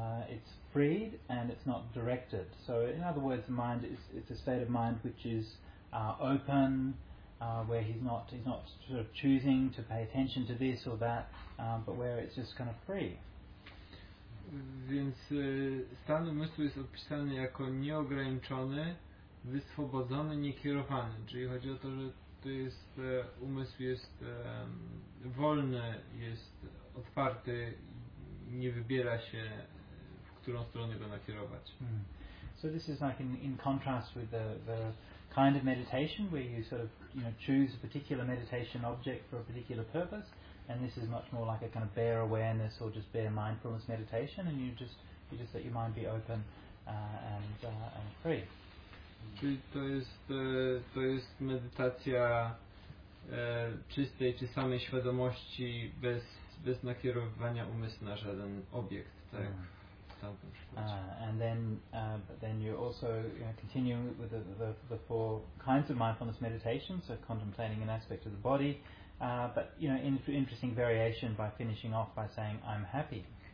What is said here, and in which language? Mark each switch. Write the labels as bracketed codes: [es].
[en] It's freed and it's not directed. So in other words, the mind is, it's a state of mind which is open, where he's not sort of choosing to pay attention to this or that, but where it's just kind of free. [pl] Więc stan umysłu jest opisany jako nieograniczony, wyswobodzony, niekierowany. Czyli chodzi o to, że to jest umysł jest wolny, jest otwarty, nie wybiera się, w którą stronę go nakierować. [en] So this is like in contrast with the kind of meditation where you sort of, you know, choose a particular meditation object for a particular purpose. And this is much more like a kind of bare awareness or just bare mindfulness meditation, and you just let your mind be open and free. [pl] Czyli to jest medytacja czystej czy samej świadomości bez nakierowywania umysłu na żaden obiekt, tak? Mm. [en] And then you're also continuing with the four kinds of mindfulness meditation, so contemplating an aspect of the body. But you know, interesting variation by finishing off by saying I'm happy.